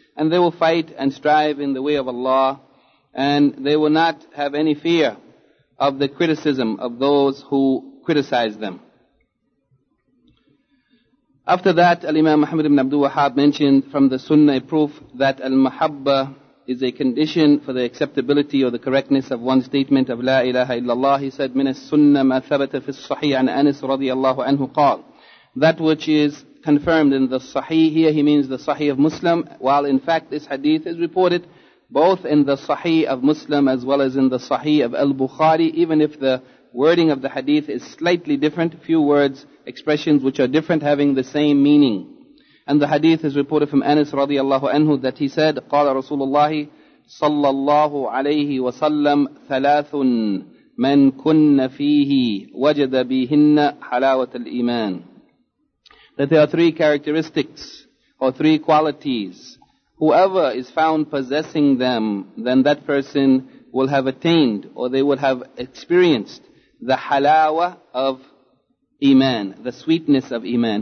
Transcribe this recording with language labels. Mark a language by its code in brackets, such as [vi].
[en] And they will fight and strive in the way of Allah, and they will not have any fear of the criticism of those who criticize them. After that, Al-Imam Muhammad ibn Abdul Wahhab mentioned from the Sunnah a proof that Al-Mahabba is a condition for the acceptability or the correctness of one's statement of La ilaha illallah. He said, [ar] مِنَ السُنَّ مَا ثَبَتَ فِي الصَّحِيحِ عَنْ أَنِسْ رَضِيَ اللَّهُ عَنْهُ قَالْ. [en] That which is confirmed in the Sahih, here he means the Sahih of Muslim, while in fact this hadith is reported both in the Sahih of Muslim as well as in the Sahih of Al-Bukhari, even if the wording of the hadith is slightly different, few words, expressions which are different having the same meaning. And the hadith is reported from Anas radiallahu anhu that he said, [ar] قال رسول الله صلى الله عليه وسلم ثلاث من كن فيه وجد بهن حلاوة الإيمان. [en] That there are three characteristics or three qualities. Whoever is found possessing them, then that person will have attained or they will have experienced the halawa of Iman, the sweetness of Iman.